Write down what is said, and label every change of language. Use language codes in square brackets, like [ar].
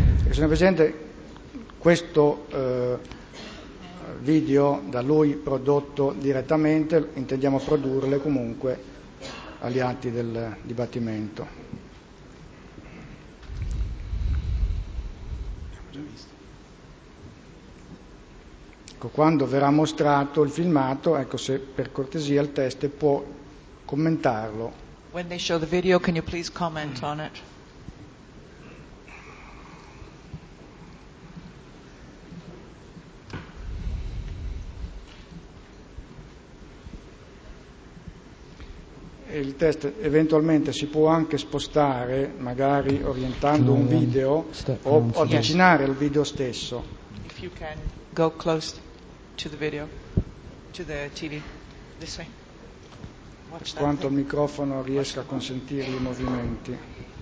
[it] Signor Presidente, questo video da lui prodotto direttamente, intendiamo produrle comunque agli atti del dibattimento. Ecco, quando verrà mostrato il filmato, ecco, se per cortesia il teste può commentarlo. [en] When they show the video, can you please comment on it? [it] Il test eventualmente si può anche spostare, magari orientando un video o avvicinare il video stesso. [en] If you can go close to the video, to the TV, this way. [it] Per quanto il microfono riesca a consentire i movimenti.